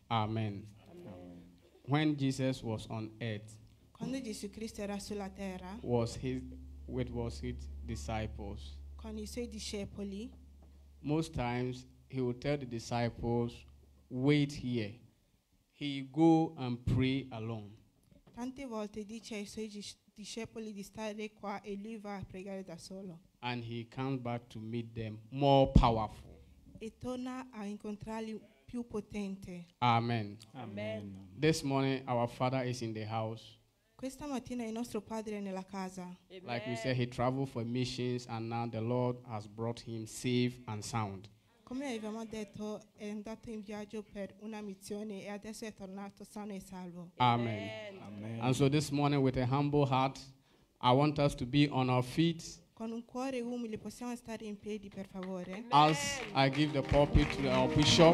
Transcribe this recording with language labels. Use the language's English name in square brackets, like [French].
[English] Amen. When Jesus was on earth, [Italian] quando Gesù Cristo era sulla terra, [English] with his disciples, [Italian] con i suoi discepoli, [English] most times he would tell the disciples, "Wait here. He go and pray alone." [Italian] Tante volte dice ai suoi discepoli di stare qua e lui va a pregare da solo. [English] And he comes back to meet them more powerful. [Italian] E torna a incontrarli più potente. [English] Amen. [Italian] Amen. [English] This morning our Father is in the house. [Italian] Questa mattina il nostro padre è nella casa. [English] Amen. Like we said, he traveled for missions and now the Lord has brought him safe and sound. [Italian] Come avevamo detto, è andato in viaggio per una missione e adesso è tornato sano e salvo. [English] Amen. [Italian] Amen. [English] And so this morning with a humble heart, I want us to be on our feet. [Italian] Con un cuore umile possiamo stare in piedi, per favore. [English] As I give the pulpit to our bishop.